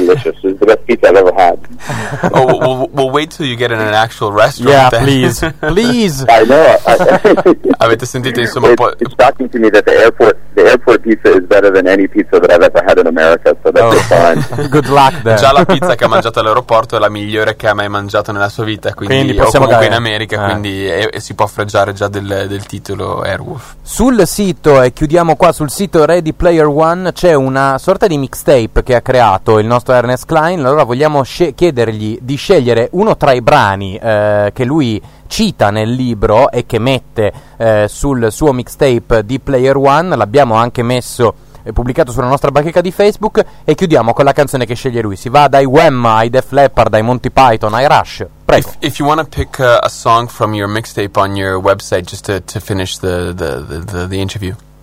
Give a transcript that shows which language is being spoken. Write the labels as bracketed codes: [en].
[en] Delicious. It was the best pizza I've ever had. Oh, we'll wait till you get in an actual restaurant. Yeah, then. Please, please. I know. [it] Avete sentito insomma? [en] It's shocking to me that the airport pizza is better than any pizza that I've ever had in America. So that's just fine. Good luck there. [it] Già la pizza che ha mangiato all'aeroporto è la migliore che ha mai mangiato nella sua vita. Quindi possiamo comunque in America. Quindi si può fregiare già del titolo Airwolf. Sul sito, e chiudiamo qua, sul sito Ready Player One c'è una sorta di mixtape che ha creato il nostro Ernest Cline. Allora vogliamo chiedergli di scegliere uno tra i brani che lui cita nel libro e che mette sul suo mixtape di Player One. L'abbiamo anche messo e pubblicato sulla nostra bacheca di Facebook, e chiudiamo con la canzone che sceglie lui. Si va dai Wham, ai Def Leppard, dai Monty Python, ai Rush. Prego. [en] If you want to pick a song from your mixtape on your website, just to finish the interview.